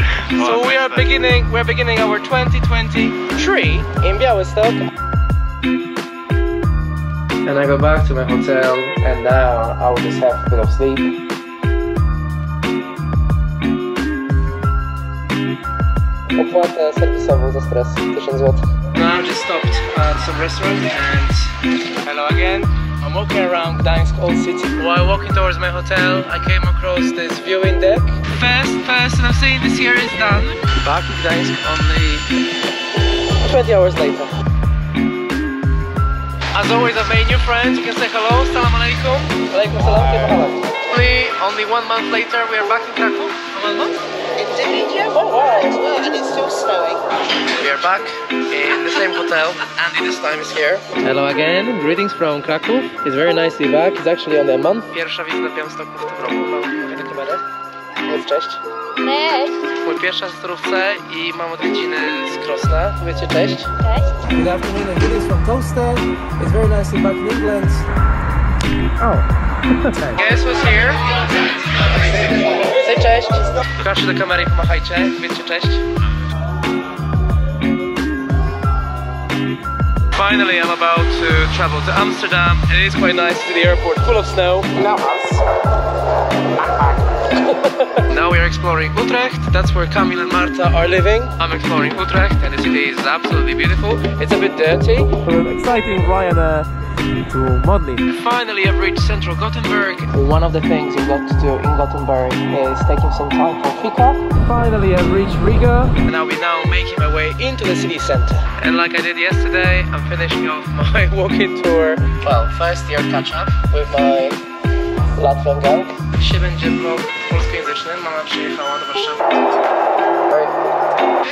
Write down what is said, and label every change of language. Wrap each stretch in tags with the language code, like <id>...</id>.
<en>So we're beginning our 2023 in Białystok. And I go back to my hotel, and now I will just have a bit of sleep.</en> <pl>Opłata serwisową za stres, 1000 zł.</pl> <en>Now I've just stopped at some restaurant, and hello again. I'm walking around Gdańsk Old City. While walking towards my hotel, I came across this viewing deck. First person I've seen this year is Dan. Back in Gdańsk only 20 hours later. As always, I've made new friends. You can say hello.</en> <ar>Assalamu alaikum. Alaikum salam.</ar> <en>Only 1 month later, we are back in Krakow. Oh wow, and it's still snowing. We are back in the same hotel. Andy this time is here. Hello again, greetings from Krakow. It's very nice to be back, it's actually only a month.</en> <pl>Pierwsza wizyta w Białymstoku w tym roku. Mamy kamerę. Cześć. Cześć. Mój pierwsza w zdrówce I mam odwiedziny z Krosna. Powiedzcie cześć. Cześć.</pl> <en>Good afternoon and greetings from Toaster. It's very nice to be back in England. Oh. Guess who's here? Say cześć.</en> <pl>Pokażcie do kamery I pomachajcie. Powiedzcie cześć.</pl> <en>Finally, I'm about to travel to Amsterdam. It is quite nice. It's in the airport, full of snow. Now us. Now we are exploring Utrecht. That's where Kamil and Marta are living. I'm exploring Utrecht, and the city is absolutely beautiful. It's a bit dirty. Exciting, Ryan. To Modlin. Finally, I've reached central Gothenburg. One of the things you've got to do in Gothenburg is taking some time for fika. Finally, I've reached Riga. And I'll be now making my way into the city center. And like I did yesterday, I'm finishing off my walking tour. Well, first year catch up with my Latvian gang.</en> <pl>Szymon Dziepok, polskojęzyczny. Mama przyjechała do Warszawy.</pl>